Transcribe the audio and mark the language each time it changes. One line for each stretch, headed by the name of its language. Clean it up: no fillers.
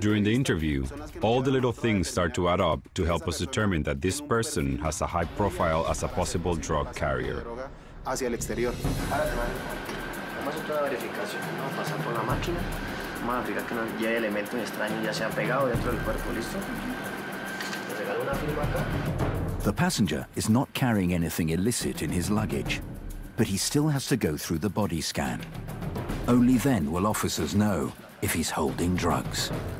English: During the interview, all the little things start to add up to help us determine that this person has a high profile as a possible drug carrier.
Spanish: Hacia el exterior. Vamos a hacer toda la verificación, vamos a pasar por la máquina, vamos a verificar que no lleve elementos extraños, ya se ha pegado dentro del cuerpo, ¿listo? Le regalo una firma acá.
English: The passenger is not carrying anything illicit in his luggage, but he still has to go through the body scan. Only then will officers know if he's holding drugs.